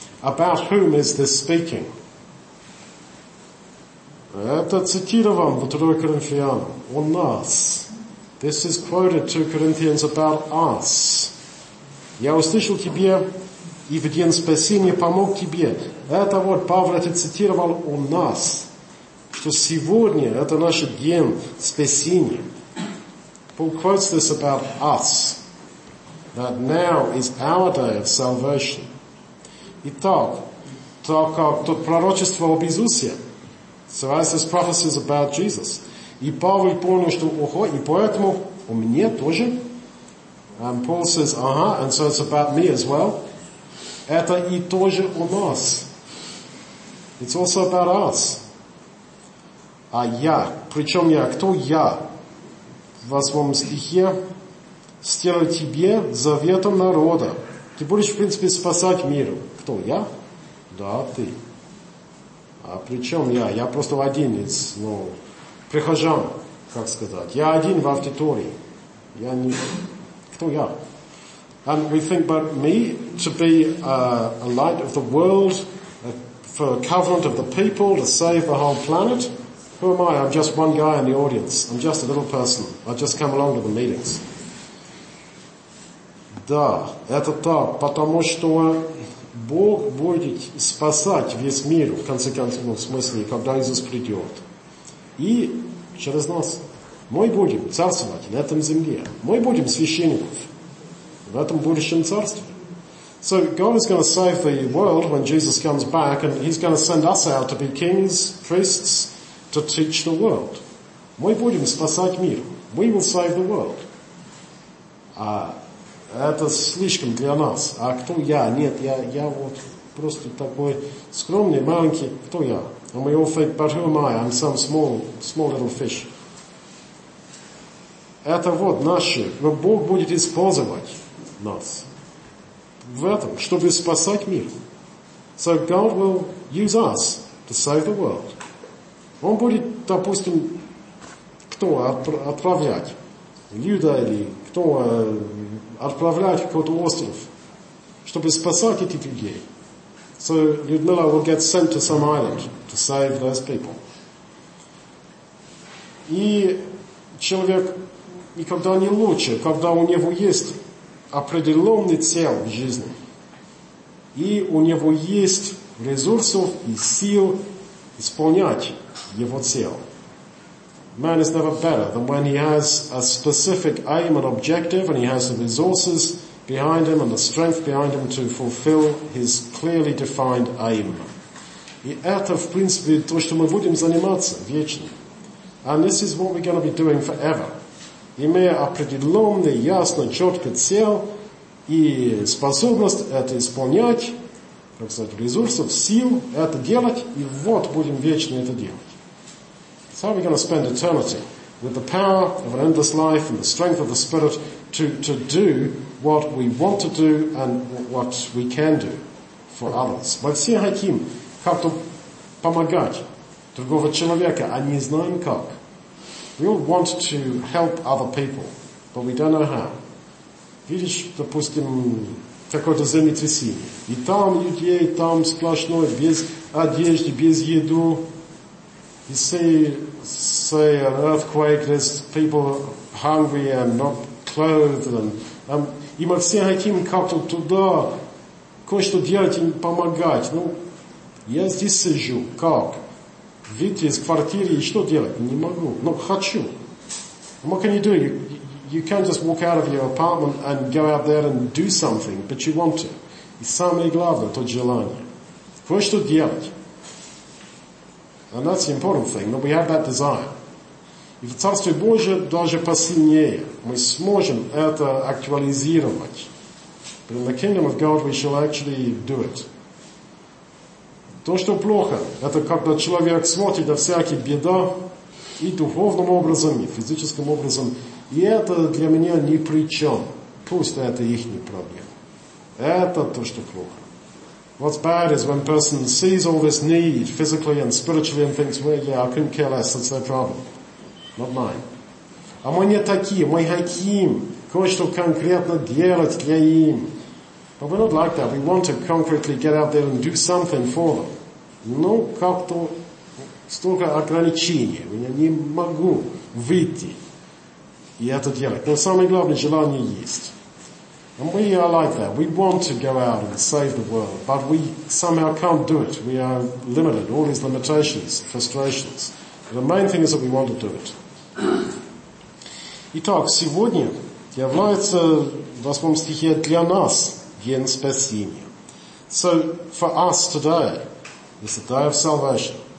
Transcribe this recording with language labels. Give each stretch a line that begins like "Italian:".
English: About whom is this speaking?
Russian: Это цитирован в 2 Коринфянам. О нас.
English: This is quoted 2 Corinthians about us.
Russian: Я услышал тебе, и в день спасения помог тебе. Это вот Павел это цитировал о нас. Что сегодня это наш день спасения.
English: Paul quotes this about us. That now is our day of salvation.
Russian: Итак, так как тут пророчество об Иисусе.
English: So as this prophecy is about Jesus.
Russian: И Павел понял, что ого, и поэтому у меня тоже.
English: And Paul says, and so it's about me as well.
Russian: Это и тоже у нас.
English: It's also about us.
Russian: А я, причем я, кто я? В восьмом стихе. Сделаю тебе заветом народа. Ты будешь, в принципе, спасать мир. Кто, я? Да, ты. А при чем я? Я просто один из, ну, прихожан, как сказать. Я один в аудитории. Я не... Кто я?
English: And we think about me to be a light of the world, for a covenant of the people, to save the whole planet. Who am I? I'm just one guy in the audience. I'm just a little person. I just come along to the meetings.
Russian: Да, это так, потому что Бог будет спасать весь мир, в конце концов, в смысле, когда Иисус придет. И через нас мы будем царствовать на этом земле. Мы будем священников в этом будущем царстве.
English: So God is going to save the world when Jesus comes back, and he's going to send us out to be kings, priests, to teach the world.
Russian: Мы будем спасать мир.
English: We will save the world.
Russian: Это слишком для нас. А кто я? Нет, я вот просто такой скромный, маленький. Кто я?
English: And we all think, but who am I? I'm some small little fish.
Russian: Это вот наше. Но Бог будет использовать нас в этом, чтобы спасать мир.
English: So God will use us to save the world.
Russian: Он будет, допустим, кто отправлять? Люда или кто... отправлять в какой-то остров, чтобы спасать этих людей.
English: So Людмила will get sent to some island to save those people.
Russian: И человек никогда не лучше, когда у него есть определенный цель в жизни. И у него есть ресурсов и сил исполнять его цель.
English: Man is never better than when he has a specific aim and objective and he has the resources behind him and the strength behind him to fulfill his clearly defined aim.
Russian: И это, в принципе, то, что мы будем заниматься вечно.
English: And this is what we're going to be doing forever.
Russian: Имея определенный, ясно, четкий цель и способность это исполнять, как сказать, ресурсов, сил это делать, и вот будем вечно это делать.
English: So how are we going to spend eternity with the power of an endless life and the strength of the Spirit to do what we want to do and what we can do for others?
Russian: Мы все хотим как-то помогать другого человека, а не знаем как.
English: We all want to help other people, but we don't know how.
Russian: Видишь, допустим, какое-то землетрясение. И там людей, там сплошное, без одежды, без еду.
English: You say an earthquake, there's people hungry and not clothed.
Russian: И мы все хотим как-то туда кое-что делать, им помогать. Ну, я здесь сижу, как? Выйти из квартиры и что делать? Не могу, но хочу.
English: What can you do? You, you can't just walk out of your apartment and go out there and do something, but you want to.
Russian: И самое главное, то желание. Кое-что делать.
English: And that's the important thing, that we have that desire.
Russian: И в Царстве Божьем даже посильнее. Мы сможем это актуализировать.
English: But in the kingdom of God we shall actually do it.
Russian: То, что плохо, это когда человек смотрит на всякие беды и духовным образом, и физическим образом. И это для меня ни при чем. Пусть это их не проблема. Это то, что плохо.
English: What's bad is when a person sees all this need physically and spiritually and thinks, well, yeah, I couldn't care less, that's their problem. Not mine.
Russian: А мы не такие, мы хотим кое-что конкретно делать для им.
English: But we're not like that. We want to concretely get out there and do something for them.
Russian: Но как-то столько ограничений. Я не могу выйти и это делать. Но самое главное, желание есть.
English: And we are like that. We want to go out and save the world, but we somehow can't do it. We are limited. All these limitations, frustrations. But the main thing is that we want to do it.
Russian: Итак, сегодня является в 8 стихе для нас день спасения.
English: So, for us today is the day of salvation.